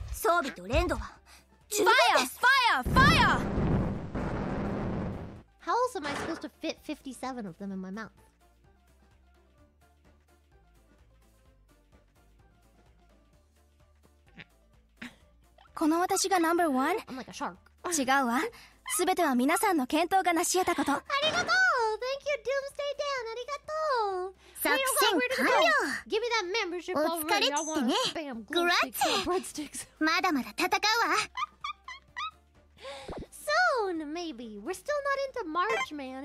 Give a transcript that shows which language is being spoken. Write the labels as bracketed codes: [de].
[ja] 装備と連動は十分です。 [en] ファイアファイアファイア。 How else am I supposed to fit 57 of them in my mouth? [ja] この私がナンバーワン。 [en] I'm like a shark. [ja] 違うわ。すべては皆さんの検討が成し得たこと。ありがとう。 [en] Thank you, Doomsday Dan. ありがとう。 [ja] 作戦完了。 [en] Give me that membership. [ja] お疲れっつってね。グラッツ。まだまだ戦うわ。 [en] Soon, maybe. We're still not into March, man.